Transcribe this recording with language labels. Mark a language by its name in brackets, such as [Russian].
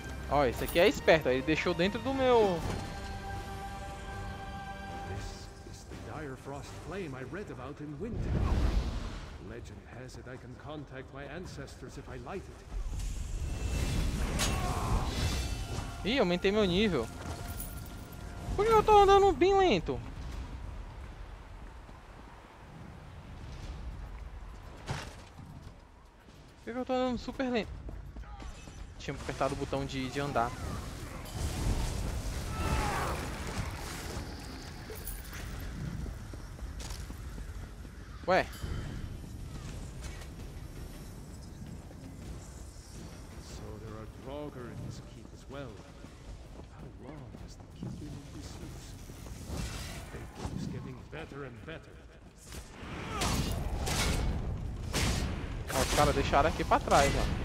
[Portuguese] Ó, esse aqui é esperto, ele deixou dentro do meu. [English] This is the Dire Frost flame I read about in winter. Legend has it I can contact my ancestors if I light it. [Portuguese] Ih, aumentei meu nível. Por que eu tô andando bem lento? Por que eu tô andando super lento? Tinha apertado o botão de andar. Ué. [English] So there are Draugr in this keep as well. How long has the keep been in this use? They keep getting better and better. [Portuguese] Os caras deixaram aqui pra trás, ó.